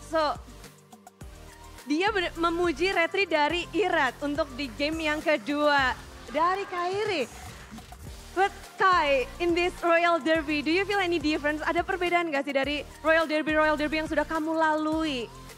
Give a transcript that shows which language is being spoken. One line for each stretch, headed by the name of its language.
Indonesian: So, dia memuji retri dari Irat untuk di game yang kedua dari Kyrie.
English: But Kai, in this Royal Derby, do you feel any difference?
Indonesian: Ada perbedaan gak sih dari Royal Derby yang sudah kamu lalui?